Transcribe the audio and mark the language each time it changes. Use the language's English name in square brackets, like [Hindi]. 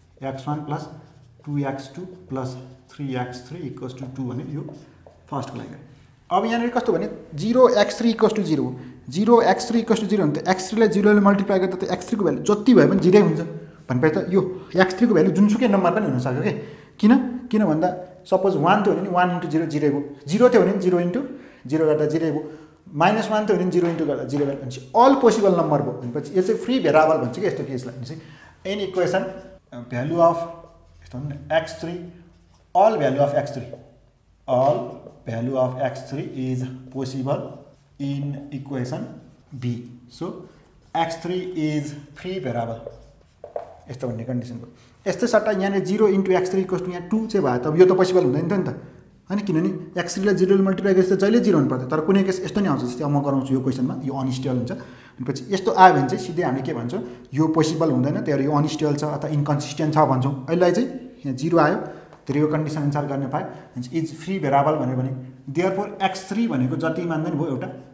[Nepali] X one plus two x two plus three x three equal to 2 भने यो फर्स्टको लागि अब यहाँनिर कस्तो भने 0 x three equal to 0 0 x three equal to 0 भने त एक्स थ्रीलाई 0 मल्टिप्लाई गर्दा त एक्स थ्रीको भ्यालु जति भए पनि 0 हुन्छ भनेपछि त यो एक्स थ्रीको भ्यालु जुनसुकै नम्बर पनि हुनसक्यो कि किन किन भन्दा सपोज 1 थियो भने 1 इन्टू 0 0 भयो 0 थियो भने 0 इन्टू 0 गर्दा 0 भयो माइनस 1 थियो भने 0 इन्टू गर्दा 0 भयो भनेपछि अल पोसिबल नम्बर भयो भनेपछि यो चाहिँ फ्री भेराबल भन्छ कि यस्तो केसलाई चाहिँ एनी इक्वेसन भ्यालु अफ यस्तो भन्नु x three all value of x three [English] all value of x3 is possible in equation B. So x3 is free variable. [Nepali] यस्तो भन्ने कन्डिसनको यस्तै सट्टा यहाँनिर zero into x three equal to यहाँ two चाहिँ भयो त यो त पोसिबल हुँदैन थियो नि त होइन किनभने एक्स थ्रीलाई जिरोले मल्टिप्लाई गरेर जहिले जिरो हुनुपर्छ तर कुनै केस यस्तो नै आउँछ जस्तै म गराउँछु यो क्वेसनमा यो अनस्टेबल हुन्छ भनेपछि यस्तो आयो भने चाहिँ सिधै हामीले के भन्छौँ यो पोसिबल हुँदैन त्यही यो अनस्टेबल छ अथवा इन्कन्सिस्टेन्ट छ भन्छौँ अहिलेलाई चाहिँ यहाँ जिरो आयो तर यो कन्डिसन अनुसार गर्न पायो इज फ्री भेराबल भन्यो भने देयरफोर एक्स थ्री भनेको जति मान्दैन भयो एउटा